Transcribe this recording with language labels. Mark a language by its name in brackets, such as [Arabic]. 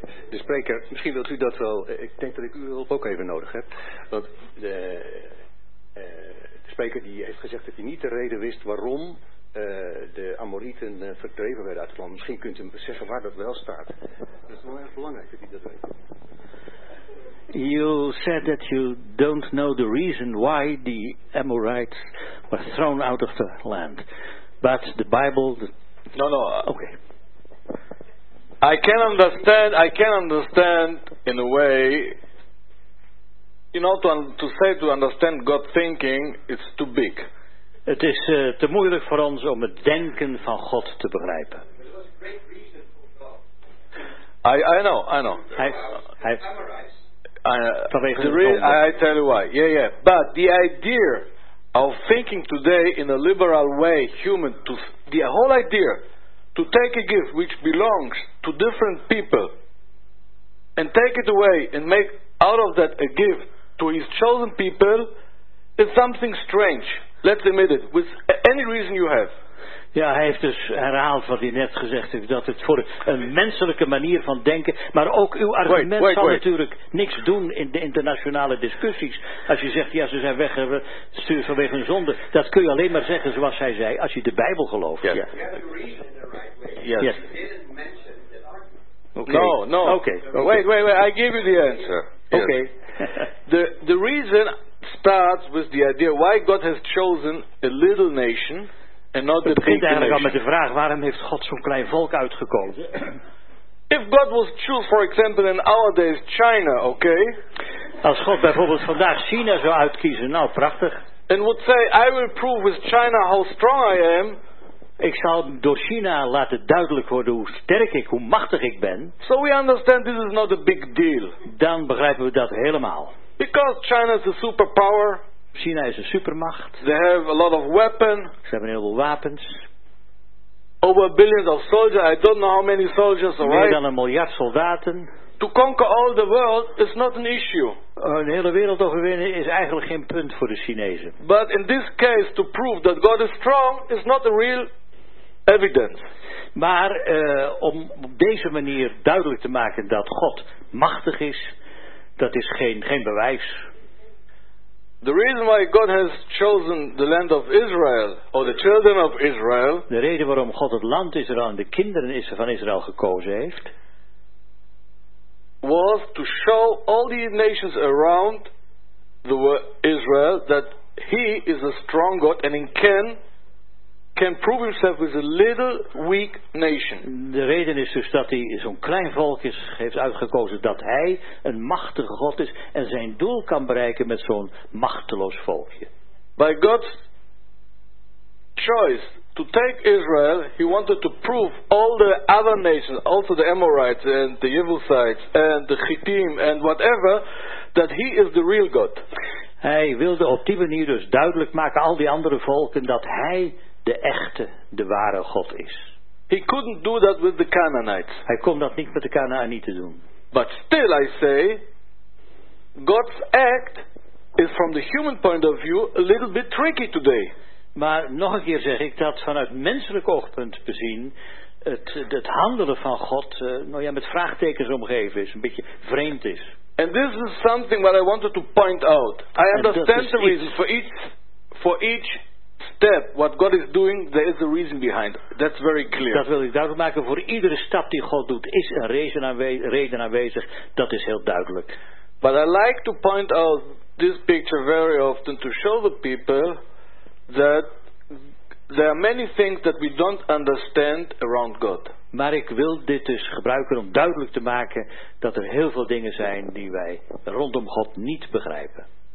[Dutch] De spreker, misschien wilt u dat wel. Ik denk dat ik uw hulp ook even nodig heb. Want de spreker die heeft gezegd dat hij niet de reden wist waarom de Amorieten verdreven werden uit het land. Misschien kunt u hem zeggen waar dat wel staat. Dat is wel erg belangrijk dat hij dat weet. [English] You said that you don't know the reason why the Amorites were thrown out of the land. But the Bible... No. Okay. I can understand in a way. You know, to say to understand God thinking, it's too big. [Dutch] Het is te moeilijk voor ons om het denken van God te begrijpen. [English] I know. [Dutch] Hij [English] I tell you why. Yeah, yeah. But the idea of thinking today in a liberal way, human, to the whole idea to take a gift which belongs to different people and take it away and make out of that a gift to his chosen people is something strange. Let's admit it, with any reason you have. [Dutch] Ja, hij heeft dus herhaald wat hij net gezegd heeft, dat het voor een menselijke manier van denken, maar ook uw argument zal natuurlijk niks doen in de internationale discussies. Als je zegt, ja, ze zijn weggestuurd vanwege hun zonde, dat kun je alleen maar zeggen zoals hij zei, als je de Bijbel gelooft. [English] Yes. [Dutch] Ja. [English] Yes. Yes. Okay. No. Okay. Wait, I give you the answer. Yes. Okay. The reason starts with the idea why God has chosen a little nation. [Dutch] En dat begint eigenlijk al met de vraag: waarom heeft God zo'n klein volk uitgekozen? [English] If God was choose, for example, in our days China, okay? [Dutch] Als God bijvoorbeeld vandaag China zou uitkiezen, nou prachtig. [English] And would say, I will prove with China how strong I am. [Dutch] Ik zal door China laten duidelijk worden hoe sterk ik, hoe machtig ik ben. [English] So we understand this is not a big deal. [Dutch] Dan begrijpen we dat helemaal. [English] Because China is a superpower. [Dutch] China is een supermacht. [English] They have a lot of weapons. [Dutch] Ze hebben heel veel wapens. [English] Over billions of soldiers. I don't know how many soldiers. [Dutch] Meer [English] right? [Dutch] dan een miljard soldaten. [English] To conquer all the world is not an issue. [Dutch] Een hele wereld overwinnen is eigenlijk geen punt voor de Chinezen. [English] But in this case, to prove that God is strong is not a real evidence. [Dutch] Maar om op deze manier duidelijk te maken dat God machtig is, dat is geen bewijs. [English] The reason why God has chosen the land of Israel or the children of Israel. [Dutch] De reden waarom God het land Israël en de kinderen van Israël gekozen heeft, [English] was to show all the nations around the Israel that He is a strong God and can prove Himself with a little weak nation. [Dutch] De reden is dus dat Hij zo'n klein volk is, heeft uitgekozen dat Hij een machtige God is en zijn doel kan bereiken met zo'n machteloos volkje. [English] By God's choice to take Israel, He wanted to prove all the other nations, also the Amorites and the Jebusites and the Chittim and whatever, that He is the real God. [Dutch] Hij wilde op die manier dus duidelijk maken al die andere volken dat Hij de echte, de ware God is. [English] He couldn't do that with the Canaanites. [Dutch] Hij kon dat niet met de Canaanieten doen. [English] But still I say, God's act is from the human point of view a little bit tricky today. [Dutch] Maar nog een keer zeg ik dat vanuit menselijk oogpunt bezien het handelen van God met vraagtekens omgeven is, een beetje vreemd is. [English] And this is something what I wanted to point out. I understand the reason for each step what God is doing, there is a reason behind. That's very clear. [Dutch] Dat wil ik duidelijk maken. Voor iedere stap die God doet, is een reden aanwezig. Dat is heel duidelijk. [English] But I like to point out this picture very often to show the people that there are many things that we don't understand around God. [Dutch] Maar ik wil dit dus gebruiken om duidelijk te maken dat er heel veel dingen zijn die wij rondom God niet begrijpen.